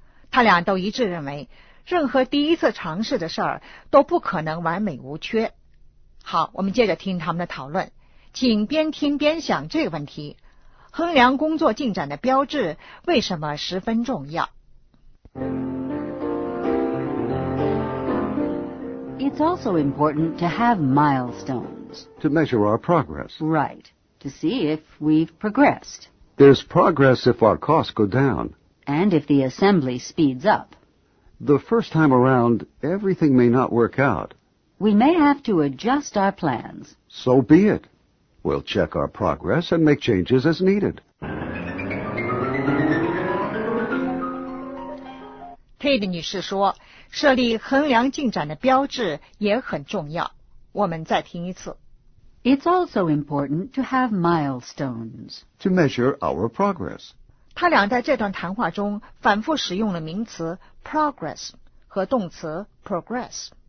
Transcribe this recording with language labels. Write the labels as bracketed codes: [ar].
[zh] 他俩都一致认为任何第一次尝试的事儿都不可能完美无缺。好，我们接着听他们的讨论，请边听边想这个问题，衡量工作进展的标志为什么十分重要？ [en] It's also important to have milestones. To measure our progress. Right. To see if we've progressed. There's progress if our costs go down. And if the assembly speeds up. The first time around, everything may not work out. We may have to adjust our plans. So be it. We'll check our progress and make changes as needed. [zh] Kate 女士说，设立衡量进展的标志也很重要。我们再听一次。 [en] It's also important to have milestones. To measure our progress. [zh] 他俩在这段谈话中反复使用了名词 progress 和动词 progress。